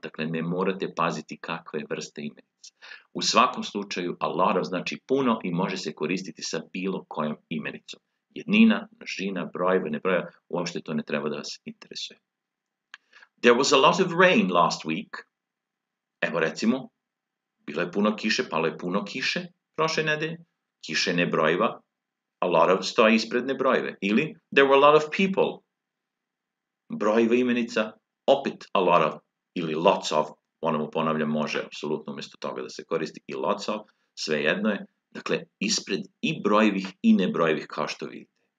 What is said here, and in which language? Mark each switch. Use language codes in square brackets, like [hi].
[sr] Dakle, ne morate paziti kakve vrste imenica. U svakom slučaju, a lot of znači puno i može se koristiti sa bilo kojom imenicom. Jednina, množina, brojeva, nebrojeva, uopšte to ne treba da vas interesuje. [en] There was a lot of rain last week. [sr] Evo recimo, bilo je puno kiše, palo je puno kiše prošle nedelje. Kiše nebrojeva, a lot of stoji ispred nebrojeve. [en] Ili, there were a lot of people. [sr] Brojeva imenica, opet a lot of ili lots of, ponovo ponavljam, može apsolutno umjesto toga da se koristi i lots of, sve jedno je. Dakle, ispred i brojevih i nebrojevih, kao što vidite.